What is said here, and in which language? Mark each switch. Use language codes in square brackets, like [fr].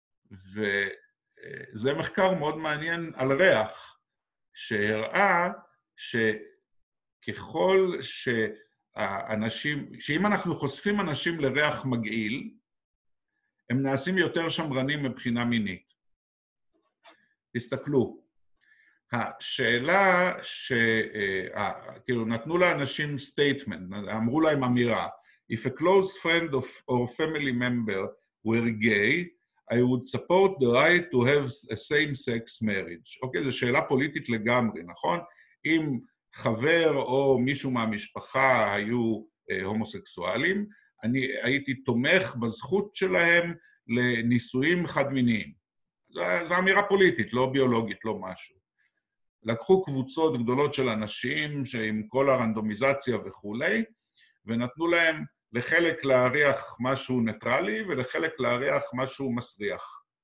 [he] וזה מחקר מאוד מעניין על ריח, שהראה שככל שהאנשים, שאם אנחנו חושפים אנשים לריח מגעיל, הם נעשים יותר שמרנים מבחינה מינית. תסתכלו. השאלה ש, כאילו נתנו לאנשים סטייטמנט, אמרו להם אמירה, [en] If a close friend of, or family member were gay, I would support the right to have a same-sex marriage. [he] אוקיי, זו שאלה פוליטית לגמרי, נכון? אם חבר או מישהו מהמשפחה היו הומוסקסואלים, אני הייתי תומך בזכות שלהם לנישואים חד-מיניים. זו אמירה פוליטית, לא ביולוגית, לא משהו. לקחו קבוצות גדולות של אנשים שעם כל הרנדומיזציה וכולי, ונתנו להם לחלק להריח משהו ניטרלי ולחלק להריח משהו מסריח.